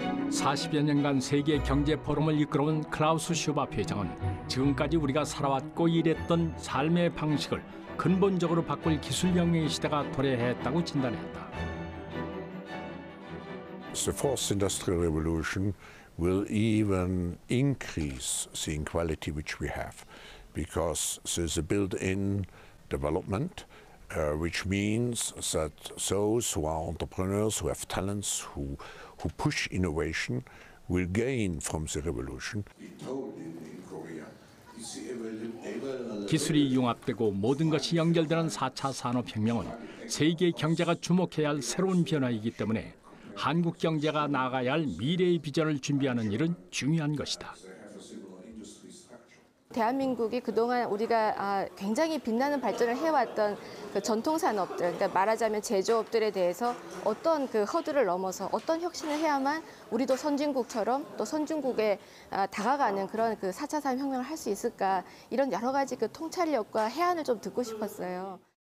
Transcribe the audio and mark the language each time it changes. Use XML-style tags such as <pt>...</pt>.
<ko>40여 년간 세계 경제 포럼을 이끌어온 클라우스 슈바 회장은 지금까지 우리가 살아왔고 일했던 삶의 방식을 근본적으로 바꿀 기술 혁명의 시대가 도래했다고 진단했다.</ko> <en>The fourth industrial revolution will even increase the inequality which we have because there's a built-in development which means that those who are entrepreneurs, who have talents, who push innovation will gain from the revolution.</en> <ko>기술이 융합되고 모든 것이 연결되는 4차 산업혁명은 세계 경제가 주목해야 할 새로운 변화이기 때문에 한국 경제가 나아가야 할 미래의 비전을 준비하는 일은 중요한 것이다. 대한민국이 그동안 우리가 굉장히 빛나는 발전을 해왔던 그 전통 산업들, 그러니까 말하자면 제조업들에 대해서 어떤 그 허들을 넘어서 어떤 혁신을 해야만 우리도 선진국처럼 또 선진국에 다가가는 그런 그 4차 산업혁명을 할 수 있을까, 이런 여러 가지 그 통찰력과 해안을 좀 듣고 싶었어요.</ko>